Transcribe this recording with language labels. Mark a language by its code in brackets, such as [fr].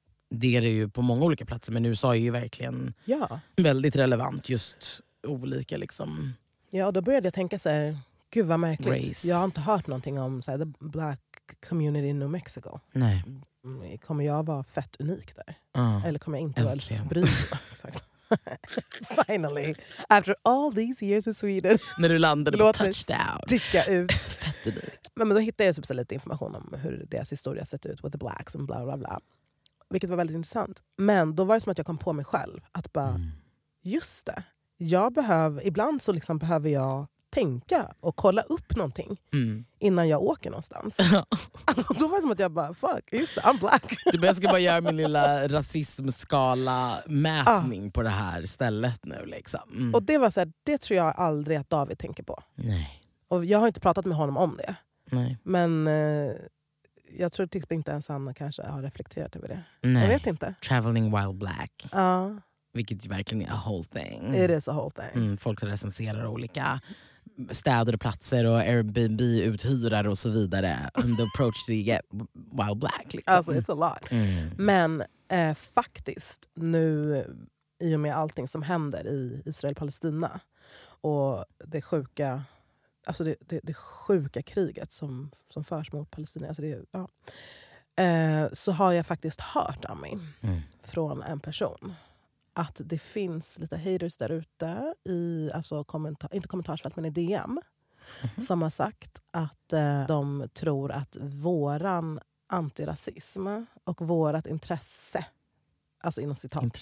[sv] Det är det ju på många olika platser, men USA är ju verkligen väldigt relevant, just olika liksom. Ja, och då började jag tänka så här, gud vad märkligt. Race. Jag har inte hört någonting om så här, [en] the black community in New Mexico. [sv] Nej. Kommer jag vara fett unik där? Ah, eller kommer jag inte äntligen vara bryt? Exakt. [en] Finally, after all these years in Sweden. [sv] När du landade på touchdown. Låt mig sticka ut. Fett unik. Men då hittade jag typ så lite information om hur deras historia sett ut [en] with the blacks [sv] and bla bla bla. Vilket var väldigt intressant. Men då var det som att jag kom på mig själv. Att bara, just det. Ibland så liksom behöver jag tänka och kolla upp någonting innan jag åker någonstans. Alltså då var det som att jag bara, fuck, just det, [en] I'm black. [sv] Du bara, jag ska bara göra min lilla rasismskala-mätning på det här stället nu liksom. Mm. Och det var så här, det tror jag aldrig att David tänker på. Nej. Och jag har inte pratat med honom om det. Nej. Men... jag tror typ inte ens Anna kanske har reflekterat över det. Nej. Jag vet inte. [en] Traveling while black. [sv] Ja. Vilket verkligen är [en] a whole thing. It is a whole thing. [sv] Mm, folk recenserar olika städer och platser och Airbnb-uthyrare och så vidare. [en] And the approach to get while black. [sv] Liksom. [en] Alltså, it's a lot. Mm. [sv] Men faktiskt, nu i och med allting som händer i Israel-Palestina och det sjuka... alltså det sjuka kriget som förs mot Palestina, alltså det, ja. Så har jag faktiskt hört av mig från en person att det finns lite haters där ute i, alltså inte kommentarsfält men i DM som har sagt att de tror att våran antirasism och vårat intresse, alltså inom citat